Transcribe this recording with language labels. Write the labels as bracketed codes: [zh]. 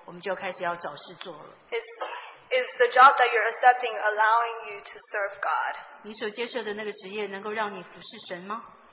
[zh] 对我们年轻人来说是非常重要的，因为我们现在出了学校以后，我们就开始要找事做了。 [en] Is the job that you're accepting allowing you to serve God? [zh] 你所接受的那个职业能够让你服侍神吗？